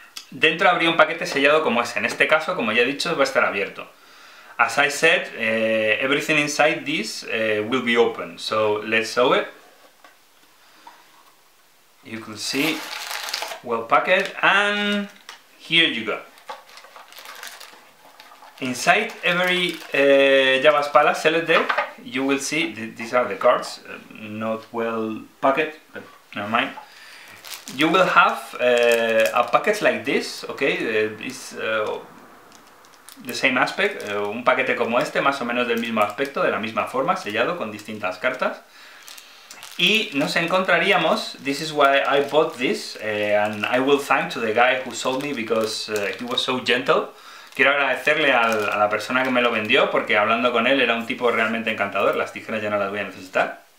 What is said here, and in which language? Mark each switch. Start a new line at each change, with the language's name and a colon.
Spanish: Dentro habría un paquete sellado como ese. En este caso, como ya he dicho, va a estar abierto.
English: As I said, everything inside this will be open. So, let's show it. You could see, well packed, and here you go. Inside every Jabba's Palace Select Deck, you will see, these are the cards, not well packed, but never mind. You will have a packet like this, okay? It's the same aspect,
Spanish: un paquete como este, más o menos del mismo aspecto, de la misma forma, sellado con distintas cartas. Y nos encontraríamos,
English: this is why I bought this, and I will thank to the guy who sold me because he was so gentle.
Spanish: Quiero agradecerle a la persona que me lo vendió porque hablando con él era un tipo realmente encantador. Las tijeras ya no las voy a necesitar.